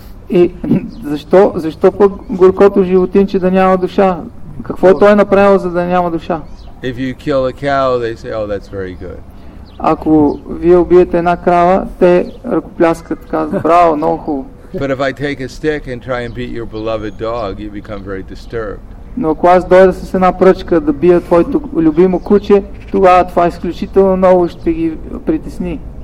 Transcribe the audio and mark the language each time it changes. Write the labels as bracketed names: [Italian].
[Bulgarian] И защо, защо пък горкото животинче да няма душа? Какво е той направил, за да няма душа? [English] If you kill a cow, they say, oh, that's very good. [Bulgarian] Ако вие убиете една крава, те ръкопляскат, казват, браво, много хубаво. [English] But if I take a stick and try and beat your beloved dog, you become very disturbed. [Bulgarian] Но ако аз дойда с една пръчка да бия твоето любимо куче, тогава това изключително много ще ги притесни.